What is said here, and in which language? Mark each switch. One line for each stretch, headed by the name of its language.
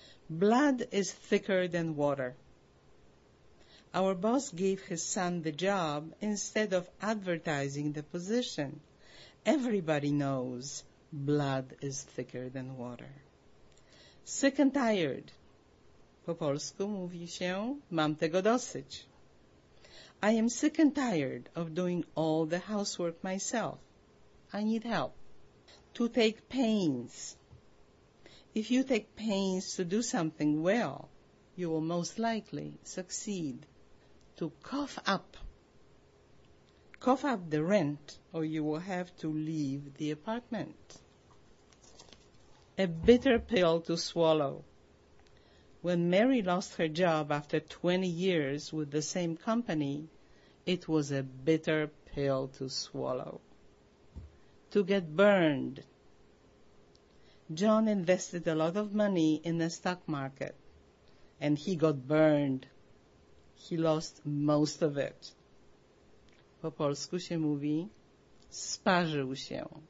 English: Blood is thicker than water. Our boss gave his son the job instead of advertising the position. Everybody knows blood is thicker than water. Sick and tired.
Polish: Po polsku mówi się, mam tego dosyć.
English: I am sick and tired of doing all the housework myself. I need help. To take pains. If you take pains to do something well, you will most likely succeed. To cough up. Cough up the rent, or you will have to leave the apartment. A bitter pill to swallow. When Mary lost her job after 20 years with the same company, it was a bitter pill to swallow. To get burned. John invested a lot of money in the stock market, and he got burned. He lost most of it.
Polish: Po polsku się mówi, sparzył się.